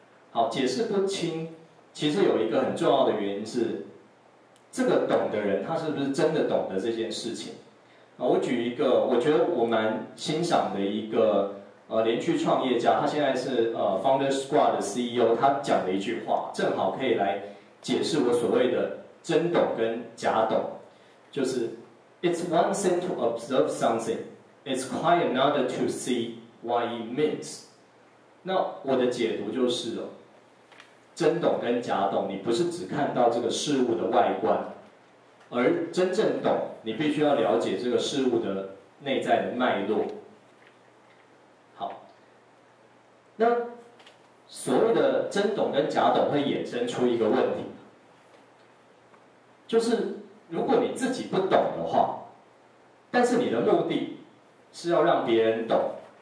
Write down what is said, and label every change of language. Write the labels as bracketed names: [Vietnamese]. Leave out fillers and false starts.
[Chinese] 好，解释不清其实有一个很重要的原因是，这个懂的人他是不是真的懂得这件事情。我举一个我觉得我蛮欣赏的一个连续创业家，他现在是Founder Squad 的 CEO， 他讲的一句话正好可以来解释我所谓的真懂跟假懂。 [English] 就是 It's one thing to observe something, it's quite another to see what it means. [Chinese] 那我的解读就是哦，真懂跟假懂，你不是只看到这个事物的外观，而真正懂，你必须要了解这个事物的内在的脉络。好，那所谓的真懂跟假懂会衍生出一个问题，就是如果你自己不懂的话，但是你的目的是要让别人懂，